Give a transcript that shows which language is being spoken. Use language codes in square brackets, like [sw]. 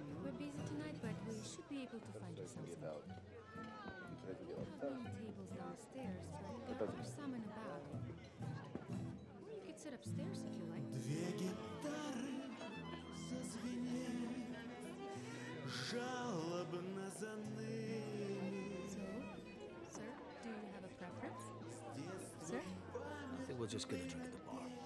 [en] We're busy tonight, but we should be able to find you something. We have many tables downstairs, but there are some in the back. Or you could sit upstairs if you like. [ru] Две гитары зазвенели, жалобно заныли. [en] So, sir, do you have a preference? Sir? I think we'll just get a drink at the bar.